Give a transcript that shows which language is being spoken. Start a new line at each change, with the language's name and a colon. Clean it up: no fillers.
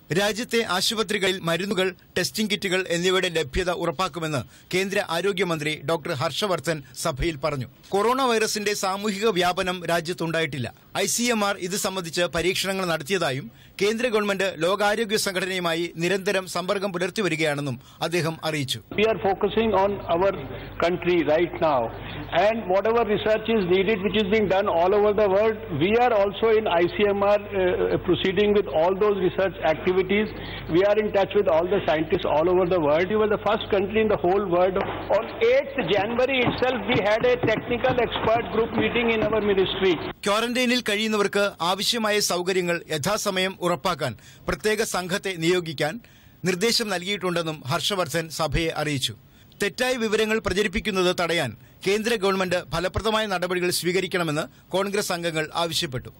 Malayalam: രാജ്യത്തെ ആശുപത്രികളിൽ മരുന്നുകൾ, ടെസ്റ്റിംഗ് കിറ്റുകൾ എന്നിവയുടെ ലഭ്യത ഉറപ്പാക്കുമെന്ന് കേന്ദ്ര ആരോഗ്യമന്ത്രി ഡോക്ടർ ഹർഷവർദ്ധൻ സഭയിൽ പറഞ്ഞു. കൊറോണ വൈറസിന്റെ സാമൂഹിക വ്യാപനം രാജ്യത്തുണ്ടായിട്ടില്ല. ICMR ഇത് സംബന്ധിച്ച് പരീക്ഷണങ്ങൾ നടത്തിയതായും കേന്ദ്ര ഗവൺമെന്റ് ലോകാരോഗ്യ സംഘടനയുമായി നിരന്തരം സമ്പർക്കം പുലർത്തി വരികയാണെന്നും അദ്ദേഹം അറിയിച്ചു.
English: We are focusing on our country right now, and whatever research is needed, which is being done all over the world, we are also in ICMR proceeding with all those research activities. We are in touch with all the scientists all over the world. We were the first country in the whole world. On 8th January itself, we had a technical expert group meeting in our ministry.
Malayalam: ിൽ കഴിയുന്നവർക്ക് ആവശ്യമായ സൌകര്യങ്ങൾ യഥാസമയം ഉറപ്പാക്കാൻ പ്രത്യേക സംഘത്തെ നിയോഗിക്കാൻ നിർദ്ദേശം നൽകിയിട്ടുണ്ടെന്നും ഹർഷവർദ്ധൻ സഭയെ അറിയിച്ചു. തെറ്റായ വിവരങ്ങൾ പ്രചരിപ്പിക്കുന്നത് തടയാൻ കേന്ദ്ര ഗവൺമെന്റ് ഫലപ്രദമായ നടപടികൾ സ്വീകരിക്കണമെന്ന് കോൺഗ്രസ് അംഗങ്ങൾ ആവശ്യപ്പെട്ടു.